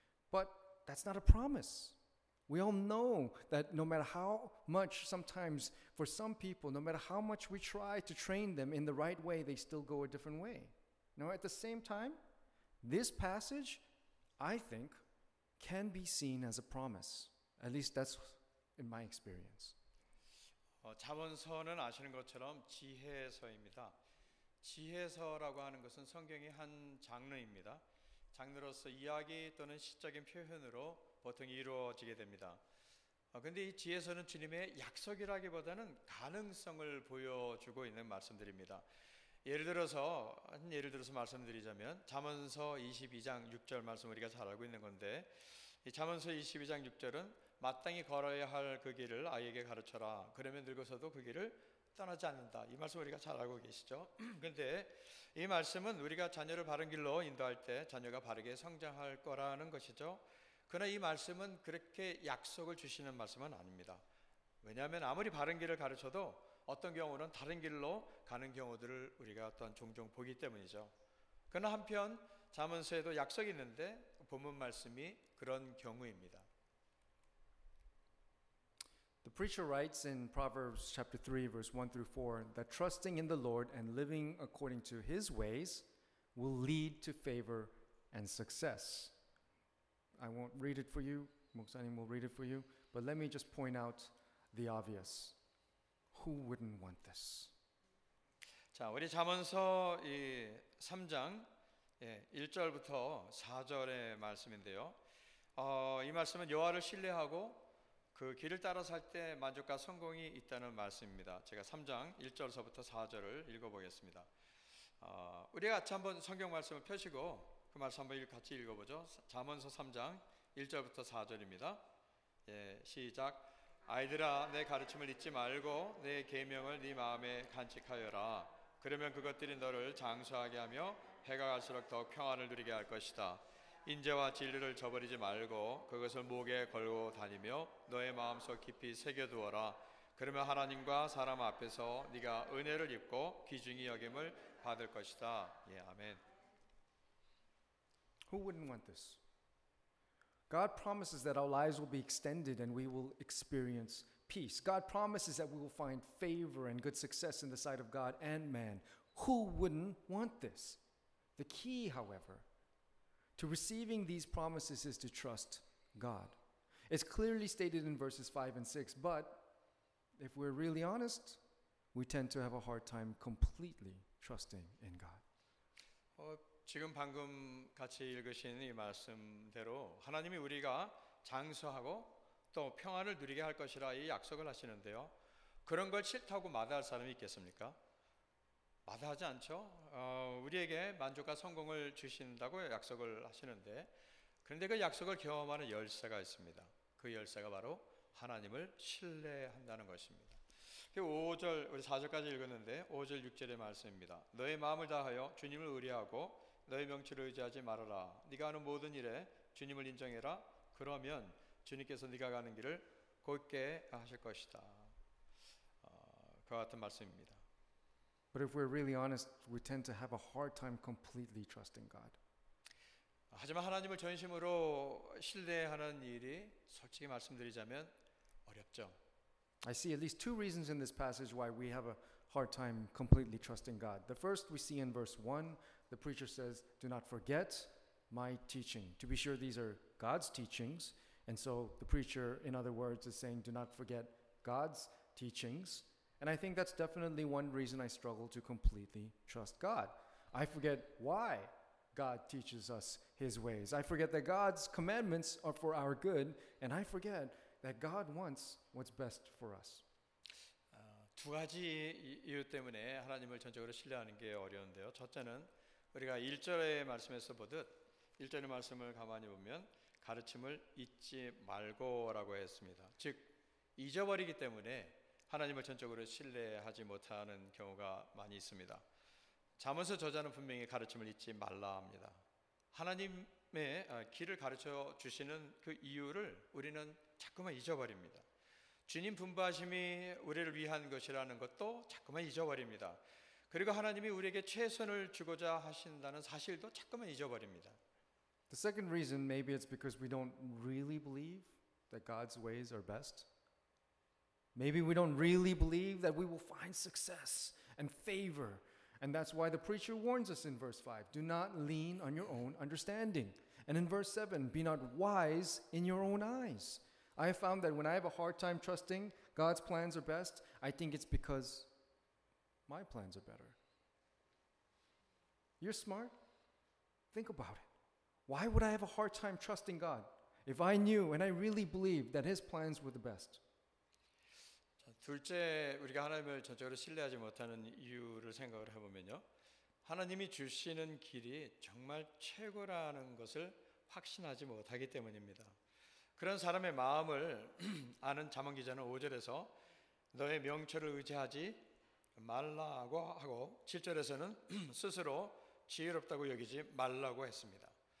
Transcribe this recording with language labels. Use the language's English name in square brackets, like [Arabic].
[English] But that's not a promise. We all know that no matter how much, sometimes for some people, no matter how much we try to train them in the right way, they still go a different way. Now, at the same time, this passage, I think, can be seen as a promise. At least that's in my experience. [Korean] 자문서는 아시는 것처럼 지혜서입니다. 지혜서라고 하는 것은 성경의 한 장르입니다. 장르로서 이야기 또는 시적인 표현으로 보통 이루어지게 됩니다. 근데 이 지혜서는 주님의 약속이라기보다는 가능성을 보여주고 있는 말씀들입니다. 예를 들어서 말씀드리자면 자문서 22장 6절 말씀 우리가 잘 알고 있는 건데, 이 자문서 22장 6절은 마땅히 걸어야 할 그 길을 아이에게 가르쳐라. 그러면 늙어서도 그 길을 떠나지 않는다. 이 말씀 우리가 잘 알고 계시죠? 근데 이 말씀은 우리가 자녀를 바른 길로 인도할 때 자녀가 바르게 성장할 거라는 것이죠. 그러나 이 말씀은 그렇게 약속을 주시는 말씀은 아닙니다. 왜냐하면 아무리 바른 길을 가르쳐도 어떤 경우는 다른 길로 가는 경우들을 우리가 또한 종종 보기 때문이죠. 그러나 한편 자문서에도 약속이 있는데 본문 말씀이 그런 경우입니다. [English] The preacher writes in Proverbs chapter 3 verse 1 through 4 that trusting in the Lord and living according to his ways will lead to favor and success. I won't read it for you, Moksanim will read it for you, but let me just point out the obvious. Who wouldn't want this? [Korean] 자, 우리 자문서 이 3장 예, 1절부터 4절의 말씀인데요. 이 말씀은 여호와를 신뢰하고 그 길을 따라 살 때 만족과 성공이 있다는 말씀입니다. 제가 3장 1절서부터 4절을 읽어보겠습니다. 우리 같이 한번 성경 말씀을 펴시고 그 말씀 한번 같이 읽어보죠. 자문서 3장 1절부터 4절입니다. 예, 시작. 아이들아, 내 가르침을 잊지 말고 내 계명을 네 마음에 간직하여라. 그러면 그것들이 너를 장수하게 하며 해가 갈수록 더 평안을 누리게 할 것이다. 인재와 진리를 저버리지 말고 그것을 목에 걸고 다니며 너의 마음속 깊이 새겨두어라. 그러면 하나님과 사람 앞에서 네가 은혜를 입고 귀중히 여김을 받을 것이다. 예, 아멘. [English] Who wouldn't want this? God promises that our lives will be extended and we will experience peace. God promises that we will find favor and good success in the sight of God and man. Who wouldn't want this? The key, however, to receiving these promises is to trust God. It's clearly stated in verses 5 and 6, but if we're really honest, we tend to have a hard time completely trusting in God. [Korean] 지금 방금 같이 읽으신 이 말씀대로 하나님이 우리가 장수하고 또 평안을 누리게 할 것이라 이 약속을 하시는데요. 그런 걸 싫다고 마다할 사람이 있겠습니까? 마다하지 않죠. 우리에게 만족과 성공을 주신다고 약속을 하시는데, 그런데 그 약속을 경험하는 열쇠가 있습니다. 그 열쇠가 바로 하나님을 신뢰한다는 것입니다. 5절, 우리 4절까지 읽었는데 5절, 6절의 말씀입니다. 너의 마음을 다하여 주님을 의뢰하고 너의 명치를 의지하지 말아라. 네가 하는 모든 일에 주님을 인정해라. 그러면 주님께서 네가 가는 길을 곧게 하실 것이다. 그와 같은 말씀입니다. [English] But if we're really honest, we tend to have a hard time completely trusting God. [Korean] 하지만 하나님을 전심으로 신뢰하는 일이 솔직히 말씀드리자면 어렵죠. [English] I see at least two reasons in this passage why we have a hard time completely trusting God. The first we see in verse 1, the preacher says, "Do not forget my teaching." To be sure, these are God's teachings, and so the preacher, in other words, is saying, "Do not forget God's teachings." And I think that's definitely one reason I struggle to completely trust God. I forget why God teaches us his ways. I forget that God's commandments are for our good, and I forget that God wants what's best for us. [Korean] 두 가지 이유 때문에 하나님을 전적으로 신뢰하는 게 어려운데요. 첫째는 우리가 1절의 말씀에서 보듯 1절의 말씀을 가만히 보면 가르침을 잊지 말고라고 했습니다. 즉 잊어버리기 때문에 하나님을 전적으로 신뢰하지 못하는 경우가 많이 있습니다. 잠언서 저자는 분명히 가르침을 잊지 말라 합니다. 하나님의 길을 가르쳐 주시는 그 이유를 우리는 자꾸만 잊어버립니다. 주님 분부하심이 우리를 위한 것이라는 것도 자꾸만 잊어버립니다. 그리고 하나님이 우리에게 최선을 주고자 하신다는 사실도 자꾸만 잊어버립니다. [English] The second reason, maybe it's because we don't really believe that God's ways are best. Maybe we don't really believe that we will find success and favor. And that's why the preacher warns us in verse 5, do not lean on your own understanding. And in verse 7, be not wise in your own eyes. I have found that when I have a hard time trusting God's plans are best, I think it's because my plans are better. You're smart? Think about it. Why would I have a hard time trusting God if I knew and I really believed that his plans were the best? [Korean] 둘째, 우리가 하나님을 전적으로 신뢰하지 못하는 이유를 생각을 해보면요. 하나님이 주시는 길이 정말 최고라는 것을 확신하지 못하기 때문입니다. 그런 사람의 마음을 아는 잠언 기자는 5절에서 너의 명철을 의지하지 말라고 하고 7절에서는 스스로 지혜롭다고 여기지 말라고 했습니다.